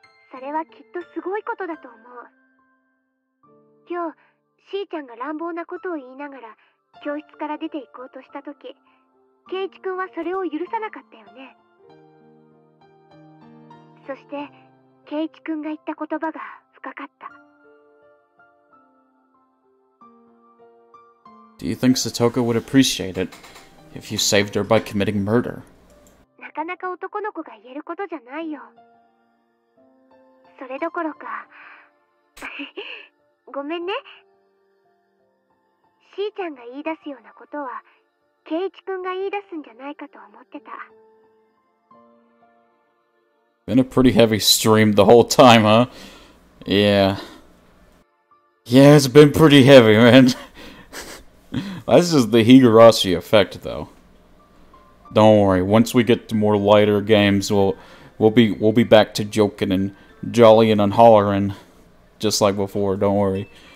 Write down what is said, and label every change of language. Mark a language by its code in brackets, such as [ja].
[ja] それはきっとすごいことだと思う。今日、シーちゃんが乱暴なことを言いながら教室から出て行こうとしたとき、ケイチ君はそれを許さなかったよね。そしてケイチ君が言った言葉が深かった。 [en] Do you think Satoko would appreciate it if you saved her by committing murder? [ja] なかなか男の子が言えることじゃないよ。それどころか、ごめんね。しーちゃんが言い出すようなことは、ケイチ君が言い出すんじゃないかと思ってた。 [en] Been a pretty heavy stream the whole time, huh? Yeah. Yeah, it's been pretty heavy, man. This is the Higurashi effect, though. Don't worry. Once we get to more lighter games, we'll be back to joking and jollying and hollering, just like before. Don't worry.